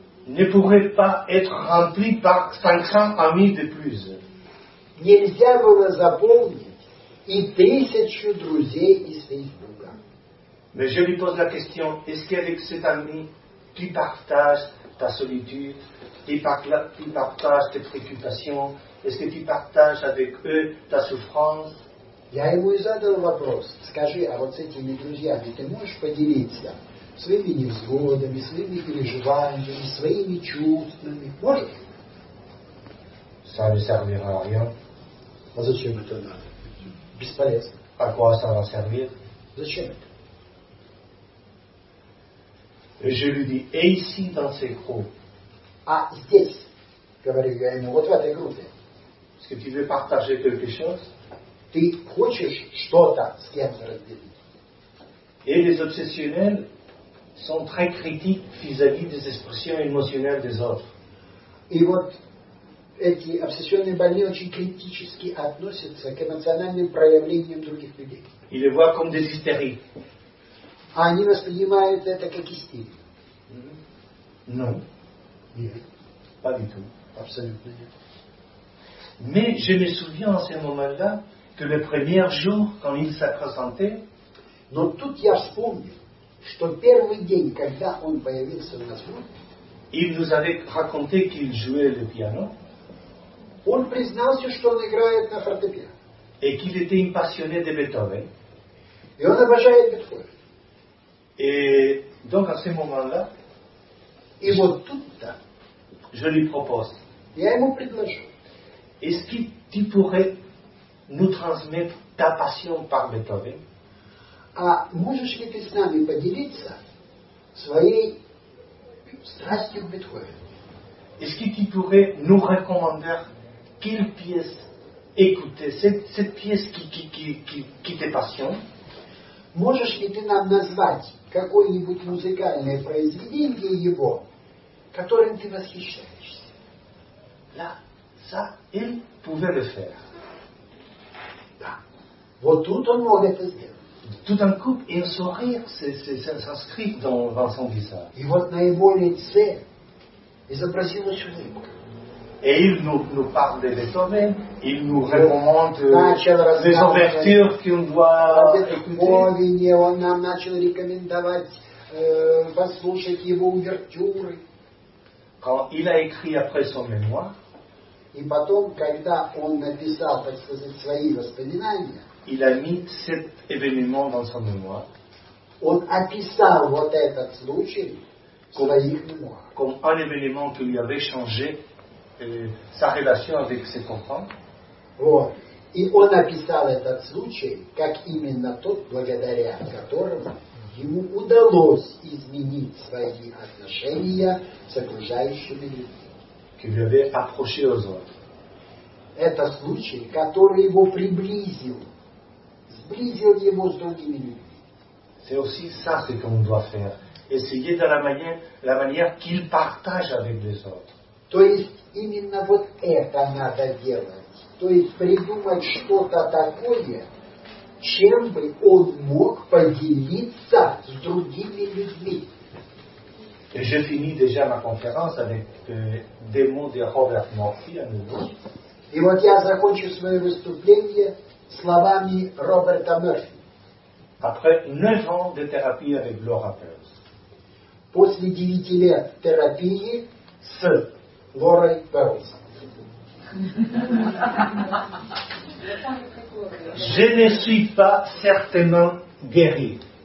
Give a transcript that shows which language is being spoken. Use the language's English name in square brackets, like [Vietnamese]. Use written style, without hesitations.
[French] ne pourrait pas être remplie par 500 amis de plus. [Russian] Нельзя было заполнить и 1000 друзей из Фейсбука. [French] Mais je lui pose la question, est-ce qu'avec cet ami qui partage ta solitude, qui partage tes préoccupations, est-ce que tu partages avec eux ta souffrance? [Russian] Я ему и задал вопрос, скажи, а вот с этими друзьями ты можешь поделиться своими невзгодами, своими переживаниями, своими чувствами? Можешь? [French] Ça ne servira à rien. [Russian] А зачем это надо? Бесполезно. А куда она сервит? Зачем это? [French] Je lui dis, et ici, dans ces groupes. [Russian] А здесь, говорю я ему, вот в этой группе. [French] Est-ce que tu veux partager quelque chose? [Russian] Ты хочешь что-то с кем-то разделить? [French] Et les obsessionnels sont très critiques vis-à-vis des expressions émotionnelles des autres. [Russian] И вот эти обсессионные больные очень критически относятся к эмоциональным проявлениям других людей. [French] Ils le voient comme des hystériques. [Russian] А они воспринимают это как истерию. [French] Non. [Russian] Нет. [French] Pas du tout. [Russian] Абсолютно нет. [French] Mais je me souviens à ce moment-là que le premier jour, quand il s'apprésentait, [Russian] но тут я вспомнил, что первый день, когда он появился у нас в группе, [French] il nous avait raconté qu'il jouait le piano. [Russian] Он признался, что он играет на фортепиано. [French] Et qu'il était un passionné de Beethoven. [Russian] И он обожает Бетховен. [French] Et donc à ce moment-là, [Russian] и вот тут-то, [French] je lui propose. [Russian] Я ему предложу. [French] Est-ce que tu pourrais nous transmettre ta passion par Beethoven? [Russian] А можешь ли ты с нами поделиться своей страстью к Бетховену? [French] Est-ce que tu pourrais nous recommander quelle pièce écouter, cette pièce qui te passionne? [Russian] Можешь ли ты нам назвать какое-нибудь музыкальное произведение его, которым ты восхищаешься? [French] Là, ça, il pouvait le faire. [Russian] Да. Вот тут он мог это сделать. [French] Tout d'un coup, un sourire s'inscrit dans son visage. [Russian] И вот на его лице изобразилась улыбка. [French] Et il nous parle de Beethoven, il nous recommande les ouvertures qu'on doit écouter. [Russian] Он нам начал рекомендовать послушать его увертюры. [French] Quand il a écrit après son mémoire, [Russian] и потом, когда он написал, так сказать, свои воспоминания, [French] il a mis cet événement dans son mémoire. [Russian] Он описал вот этот случай [French] comme, [Russian] своих мемуарах. [French] Comme un événement qui lui avait changé sa relation avec ses enfants. [Russian] Вот. И он описал этот случай как именно тот, благодаря которому ему удалось изменить свои отношения с окружающими людьми. Это случай, который его приблизил, сблизил его с другими людьми. [French] C'est aussi ça ce qu'on doit faire. Essayer de la manière qu'il partage avec les autres. [Russian] То есть именно вот это надо делать. То есть придумать что-то такое, чем бы он мог поделиться с другими людьми. [French] Je finis déjà ma conférence avec des mots de Robert Murphy à nouveau. [Russian] И вот я закончу свое выступление словами Роберта Мерфи. [French] Après 9 ans de thérapie avec Laura Perls. [Russian] После 9 лет терапии с Лорой Перлс. [French] Je ne suis pas certainement guéri.